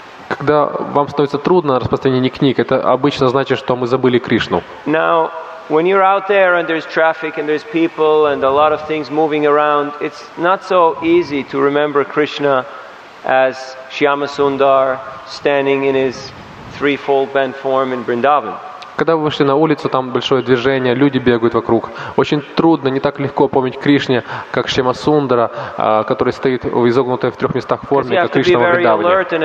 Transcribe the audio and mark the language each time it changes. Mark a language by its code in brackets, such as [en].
[ru] Когда вам становится трудно на распространении книг, это обычно значит, что мы забыли Кришну. [en] Now, when you're out there and there's traffic and there's people and a lot of things moving around, it's not so easy to remember Krishna as Shyama Sundar standing in his threefold bent form in Vrindavan. [ru] Когда вы вышли на улицу, там большое движение, люди бегают вокруг. Очень трудно, не так легко помнить Кришне, как Шьяма Сундара, который стоит в изогнутой в трех местах форме, как Кришна во